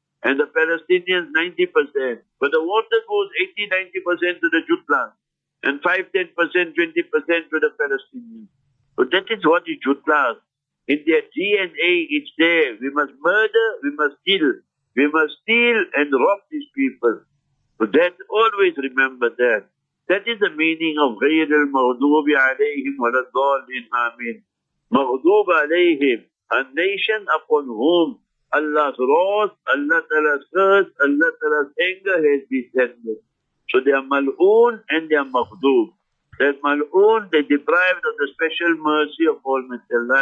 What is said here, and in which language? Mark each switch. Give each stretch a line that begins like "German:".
English: And the Palestinians 90%. But the water goes 80-90% to the Jutlas. And 5-10%, 20% to the Palestinians. So that is what the Jutlas. In their DNA it's there. We must murder, we must kill. We must steal and rob these people. But that, always remember that. That is the meaning of
Arabic: غير المغضوب عليهم ولا الضالين آمين. مغضوب عليهم,
English: a nation upon whom Allah's wrath, Allah Ta'ala's curse, Allah Ta'ala's anger has descended. So they are mal'oon and they are maghdoob. They are mal'oon, they are deprived of the special mercy of Almighty Allah.